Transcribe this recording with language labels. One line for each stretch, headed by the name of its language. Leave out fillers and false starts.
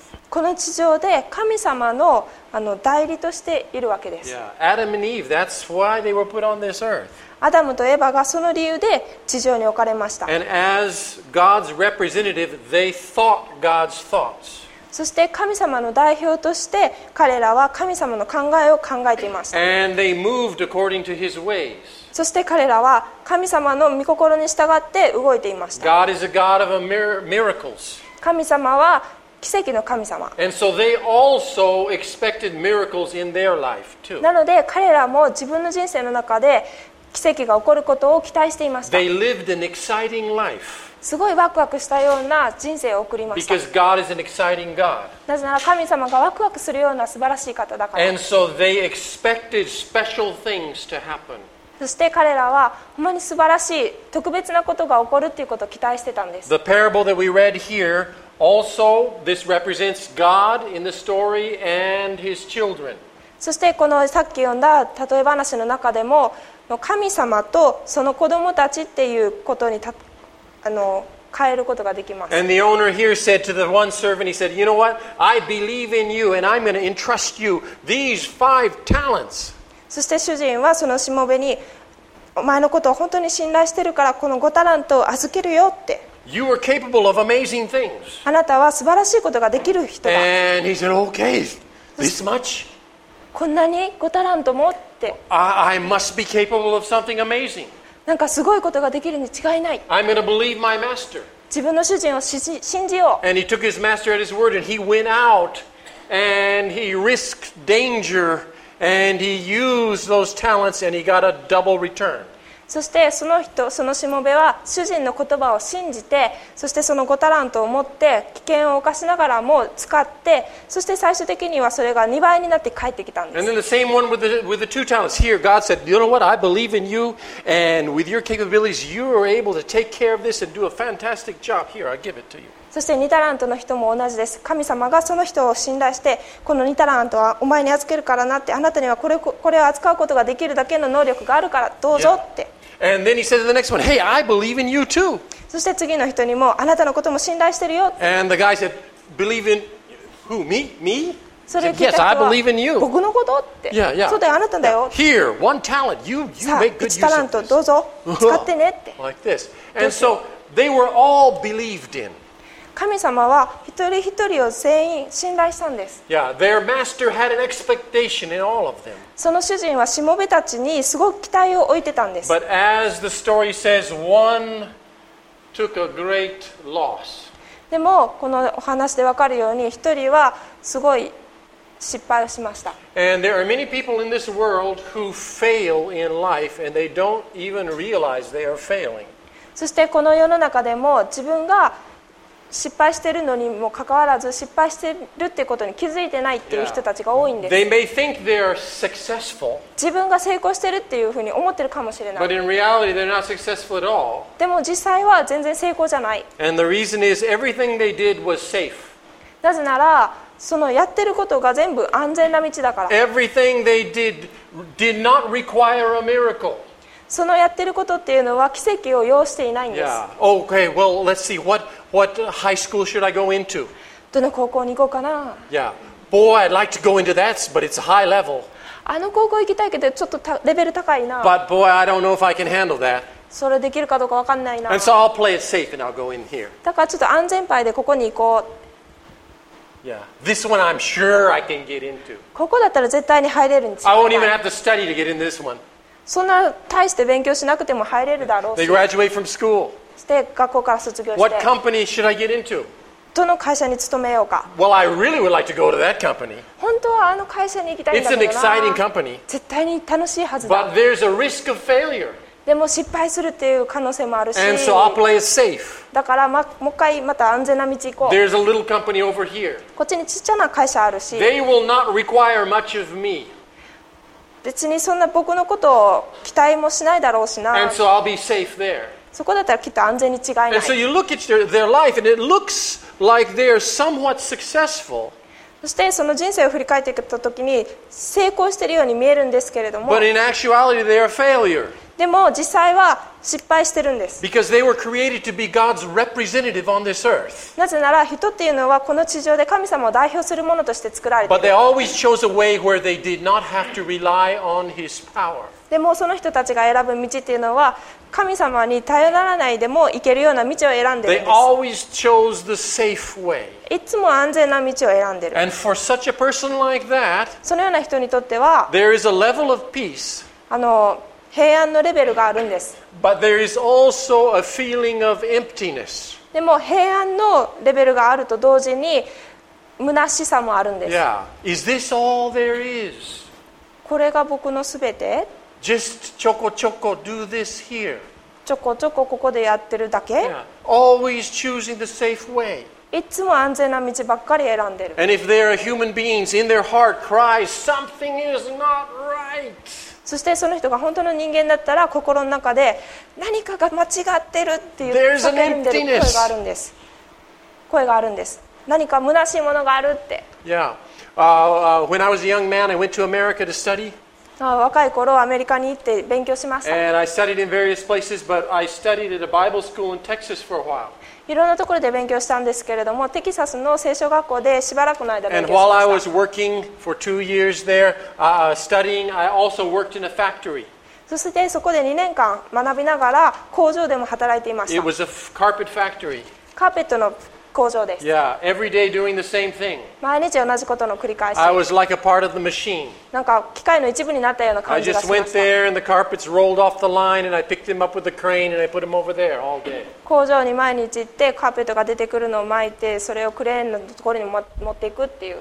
Japanese: この地上で神様 の, あの代理としているわけです。
English: Adam and Eve, that's why they were put on this earth.
Japanese: アダムとエヴァがその理由で地上に置かれました。
English: And as God's representative, they thought God's thoughts.
Japanese: そして神様の代表として彼らは神様の考えを考えていました。
English: And they moved according to his ways.
Japanese: そして彼らは神様の御心に従って動いていました。
English: God is a God of miracles.
Japanese: 神様は奇跡の神様。
English: And so they also expected miracles in their life too.
Japanese: なので彼らも自分の人生の中で奇跡が起こることを期待していました。
English: They lived an exciting life.
Japanese: すごいワクワクしたような人生を送りました。
English: Because God is an exciting God.
Japanese: なぜなら神様がワクワクするような素晴らしい方だから。
English: And so they expected special things to happen.
Japanese: そして彼らは本当に素晴らしい特別なことが起こるということを期待してたんです。
English: The parable that we read here also this represents God in the story and his children.
Japanese: そしてこのさっき読んだ例え話の中でもの神様とその子供たちっていうことにあの変えることができます。
English: And the owner here said to the one servant, he said, you know what? I believe in you and I'm going to entrust you these five talents.
Japanese: そして主人はそのしもべにお前のことを本当に信頼してるからこの5タラントを預けるよって。
English: You are capable of amazing things.
Japanese: あなたは素晴らしいことができる人だ。
English: And he said, okay, this much?
Japanese: こんなに5タラントもって。
English: I must be capable of something amazing.
Japanese: なんかすごいことができるに違いない。
English: I'm going to believe my master.
Japanese: 自分の主人を信じよう。
English: And he took his master at his word and he went out and he risked danger and he used those talents and he got a double return.
Japanese: そしてその人、そのしもべは主人の言葉を信じて、そしてその5タラントを持って危険を冒しながらも使って、そして最終的にはそれが2倍になって帰ってきたんです。
English: And then the same one with the two talents. Here, God said, you know what? I believe in you, and with your capabilities, you are able to take care of this and do a fantastic job. Here, I give it to you.
Japanese: そして2タラントの人も同じです。神様がその人を信頼して、この2タラントはお前に預けるからなって、あなたにはこれを扱うことができるだけの能力があるから、どうぞって。
English: Yeah. And then he said to the next one, hey, I believe in you too.
Japanese: そして次の人にも、あなたのことも信頼してるよって。
English: And the guy said, believe in who? Me? Me?
Japanese: それ聞いた人は、
English: yes, I believe in you.
Japanese: 僕のことって。
English: Yeah, yeah.
Japanese: そうだよ、あなただよ。
English: Yeah. Here, one talent. You make good use of this. 1
Japanese: タラント、どうぞ。使ってねって。
English: Like this. And so, they were all believed in.
Japanese: 神様は一人一人を全員信頼したんです。
English: Yeah, their master had an expectation in all of them.
Japanese: その主人はしもべたちにすごく期待を置いてたんです。
English: But as the story says, one took a great loss.
Japanese: でもこのお話で分かるように一人はすごい失敗をしました。
English: And there are many people in this world who fail in life and they don't even realize they are failing.
Japanese: そしてこの世の中でも自分が失敗してるのにもかかわらず失敗してるってことに気づいてないっていう人たちが多いんです。
English: They may think they are successful.
Japanese: 自分が成功してるっていうふうに思ってるかもしれない。
English: But in reality, they're not successful at all.
Japanese: でも実際は全然成功じゃない。
English: And the reason is everything they did was safe.
Japanese: なぜならそのやってることが全部安全な道だから。
English: Everything they did not require a miracle.
Japanese: そのやってることっていうのは奇跡を要していないんです。
English: Yeah. Okay, well, let's see. What high school should I go into?
Japanese: どの高校に行こうかな?
English: Yeah. Boy, I'd like to go into that, but it's a high level.
Japanese: あの高校行きたいけどちょっとレベル高いな。
English: But boy, I don't know if I can handle that.
Japanese: それできるかどうか分かんないな。
English: And so I'll play it safe and I'll go in here.
Japanese: だからちょっと安全牌でここに行こう。
English: Yeah. This one I'm sure I can get into.
Japanese: ここだったら絶対に入れるんです。
English: I won't even have to study to get in this one.
Japanese: そんな大して勉強しなくても入れるだろう。
English: They graduate from school.
Japanese: して学校から卒業して。
English: What company should I get into?
Japanese: どの会社に勤めようか。
English: Well, I really would like to go to that company.
Japanese: 本当はあの会社に行きたいんだけどな。
English: It's an exciting company.
Japanese: 絶対に楽しいはずだ。
English: But there's a risk of failure.
Japanese: でも失敗するっていう可能性もあるし。
English: And so I'll play it safe.
Japanese: だからもう一回また安全な道行こう。
English: There's a little company over here.
Japanese: こっちにちっちゃな会社あるし。
English: They will not require much of me.
Japanese: 別にそんな僕のことを期待もしないだろうしな。
English: And so I'll be safe there.
Japanese: そこだったらきっと安全に違いない。
English: And so you look at their life and it looks like they're somewhat successful.
Japanese: そしてその人生を振り返ってきた時に成功しているように見えるんですけれども。
English: But in actuality they are failure.
Japanese: でも実際は失敗してるんです。
English: Because they were created to be God's representative on this earth.
Japanese: なぜなら人っていうのはこの地上で神様を代表するものとして作られている。
English: But they always chose a way where they did not have to rely on His power.
Japanese: でもその人たちが選ぶ道っていうのは神様に頼らないでも行けるような道を選んでいる。
English: They always chose the safe way.
Japanese: いつも安全な道を選んでいる。
English: And for such a person like that,
Japanese: そのような人にとっては、
English: there is a level of peace.
Japanese: 平安のレベルがあるんです。
English: But there is also a feeling of emptiness.
Japanese: でも平安のレベルがあると同時に虚しさもあるんです。
English: Yeah. Is this all there is?
Japanese: これが僕のすべて?
English: Just ちょこちょこ do this here.
Japanese: ちょこちょこここでやってるだけ?
English: Yeah. Always choosing the safe way.
Japanese: いつも安全な道ばっかり選んでる。
English: And if there are human beings in their heart cries, something is not right.
Japanese: そしてその人が本当の人間だったら心の中で何かが間違ってるっていう
English: There's an
Japanese: emptiness. 声があるんです。声があるんです。何か虚しいものがあるって。
English: Yeah. When I was a young man, I went to America to study.
Japanese: 若い頃アメリカに行って勉強しました。
English: And I studied in various places, but I studied at a Bible school in Texas for a while.
Japanese: いろんなところで勉強したんですけれども、テキサスの聖書学校でしばらくの間勉強しました。
English: And while I was working for 2 years there, studying, I also worked in a factory.
Japanese: そしてそこで2年間学びながら工場でも働いていました。
English: It was a carpet factory.
Japanese: カーペットの工場です。
English: Yeah, every day doing the same thing.
Japanese: 毎日同じことの繰り返し。
English: I was like a part of the machine.
Japanese: なんか機械の一部になったような感じがしました。
English: I just went there and the carpets rolled off the line and I picked them up with the crane and I put them over there all day.
Japanese: 工場に毎日行ってカーペットが出てくるのを巻いてそれをクレーンのところに持っていくっていう。